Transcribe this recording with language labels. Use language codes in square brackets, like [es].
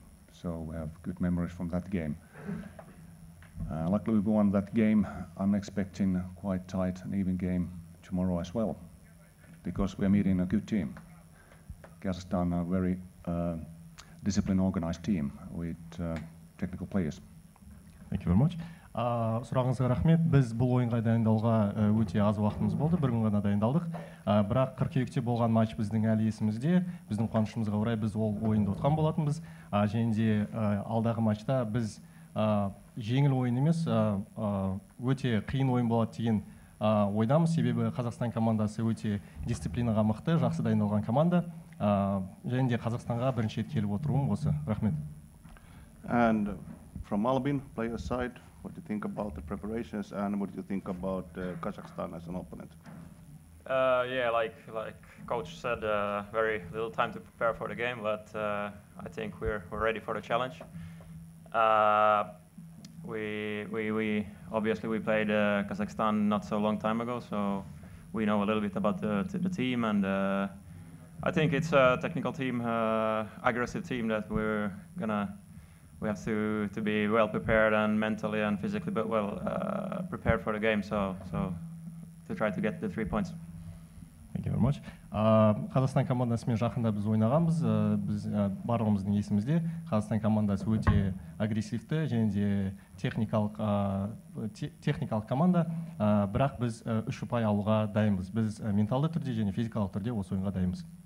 [en] So we have good memories from that game. Luckily we won that game. I'm expecting quite tight and even game tomorrow as well, because we're meeting a good team. Kazakhstan are a very disciplined, organized team with technical players. Thank you very much. [kk] Сұрағыңызға рахмет. Біз бұл ойынға дайындалуға өте аз уақытымыз болды, бір күн ғана дайындалдық. Бірақ қыркүйекте болған матч біздің әлі есімізде. Біздің қуанышымызға орай біз ол ойынды ұтқан болатынбыз. Және де алдағы матчта біз жеңіл ойын емес, өте қиын ойын болады деген ойдамыз. Себебі Қазақстан командасы өте дисциплинаға мықты, жақсы дайындалған команда. Және де Қазақстанға бірінші рет келіп отыруым осы. Рахмет. [en] And from Albin, player side, what do you think about the preparations, and what do you think about Kazakhstan as an opponent? Like coach said, very little time to prepare for the game, but I think we're ready for the challenge. We obviously we played Kazakhstan not so long time ago, so we know a little bit about the team, and I think it's a technical team, aggressive team that we're gonna. We have to be well prepared and mentally and physically, but well prepared for the game. So to try to get the 3 points. Thank you very much. [kk] Қазақстан командасымен жақында біз ойнағанбыз. Біз барлығымыздың есімізде. Қазақстан командасы өте агрессивті және де техникалық команда. Бірақ біз үш ұпай алуға дайынбыз. Біз менталды түрде және физикалық түрде осы ойынға дайынбыз.